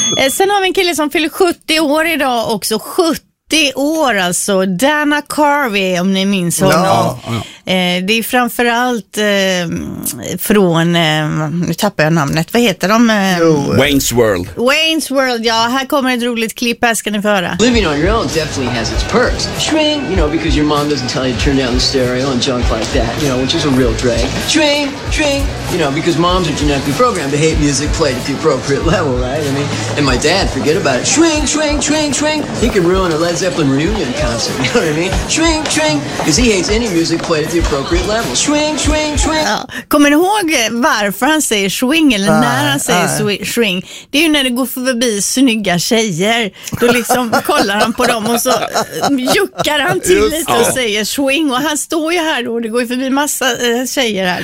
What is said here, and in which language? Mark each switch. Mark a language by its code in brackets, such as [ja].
[sv] Sen har vi en kille som fyller 70 år idag också. 70 år alltså. Dana Carvey, om ni minns honom. Ja. Det är framförallt från, nu tappar jag namnet, vad heter de? Wayne's World. Wayne's World, ja. Här kommer ett roligt klipp, här ska ni få höra. [en] Living on your own definitely has its perks. Shring, you know, because your mom doesn't tell you to turn down the stereo and junk like that, you know, which is a real drag. Shring, shring, you know, because moms are genetically programmed to hate music played at the appropriate level, right? I mean, and my dad, forget about it. Shring, shring, shring, shring. He can ruin a Led Zeppelin reunion concert, you know what I mean? Shring, shring, because he hates any music played. Swing, swing, swing. Ja. [sv] Kommer ni ihåg varför han säger swing, eller när han säger swing? Det är ju när det går förbi snygga tjejer. Då liksom kollar han på dem och så juckar han till lite och säger swing. Och han står ju här då, det går ju förbi massa tjejer här.